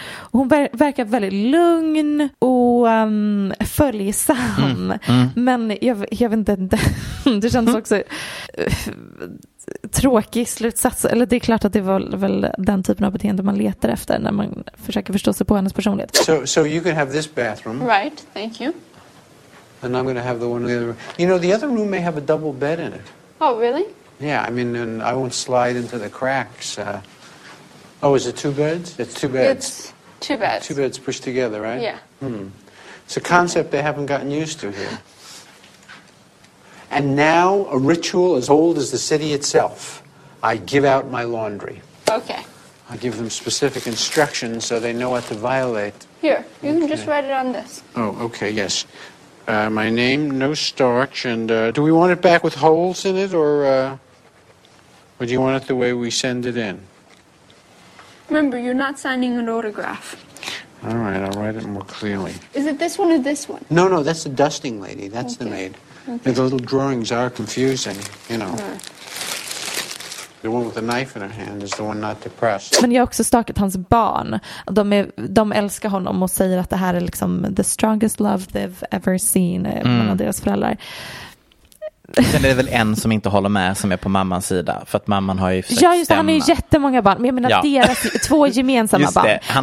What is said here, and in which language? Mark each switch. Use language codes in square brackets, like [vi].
[sv] Och hon verkar väldigt lugn och följsam. Men jag vet inte, det känns också tråkig slutsats. Eller det är klart att det var väl den typen av beteende man letar efter när man försöker förstå sig på hennes personlighet. [en] So you can have this bathroom. Right, thank you. And I'm going to have the one in the other room. You know, the other room may have a double bed in it. Oh, really? Yeah, I mean, and I won't slide into the cracks. Oh, is it two beds? It's two beds. It's two beds. Two beds pushed together, right? Yeah. Hmm. It's a concept they haven't gotten used to here. And now, a ritual as old as the city itself. I give out my laundry. Okay. I give them specific instructions so they know what to violate. Here, you can just write it on this. Oh, okay, yes. My name, no starch, and do we want it back with holes in it, or do you want it the way we send it in? Remember, you're not signing an autograph. All right, I'll write it more clearly. Is it this one or this one? No, that's the dusting lady. That's okay. The maid. Okay. The little drawings are confusing, you know. The one with the knife in her hand is the one not depressed. [sv] Men jag har också stalkat hans barn. De älskar honom och säger att det här är liksom [en] the strongest love they've ever seen [sv] mellan deras föräldrar. Sen är det väl en som inte håller med som är på mammans sida. För att mamman har ju försökt stämma. Ja, just det, han har ju jättemånga barn. Men jag menar deras två gemensamma barn.